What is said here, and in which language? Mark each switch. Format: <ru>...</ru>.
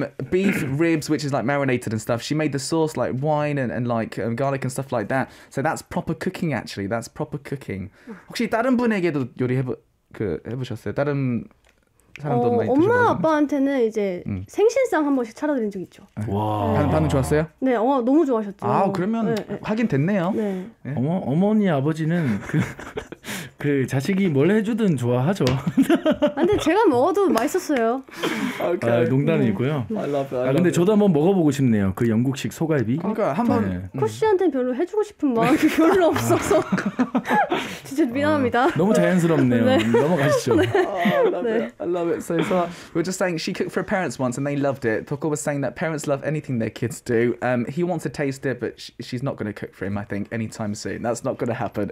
<en>beef ribs, which is like marinated and stuff. She made the sauce like wine and like garlic and stuff like that. So that's proper cooking actually. That's proper cooking.</en> <ko>혹시 다른 분에게도 요리 해보셨어요? 다른 사람도 많이 엄마 드셔가지고. 아빠한테는 이제 생신상 한 번씩 차려드린 적 있죠. 와, 반응 좋았어요? 네, 너무 좋아하셨죠. 아, 그러면 확인 됐네요. 네. 어머니 아버지는 그 자식이 뭘 해주든 좋아하죠. 근데 제가 먹어도 맛있었어요. Okay. 아, 농담이고요.</ko> <en>I love it.</en> <ko>아, 근데 저도 한번 먹어보고 싶네요. 그 영국식 소갈비. 그러니까 한번 쿠시한테 별로 해주고 싶은 마음이 별로 없어서 진짜 미안합니다. 너무 자연스럽네요. 네. 넘어가시죠.</ko> <en>네. I love it. So far, we're just saying she cooked for her parents once and they loved it. Toko was saying that parents love anything their kids do. He wants to taste it, but she's not going to cook for him. I think anytime soon, that's not going to happen.</en>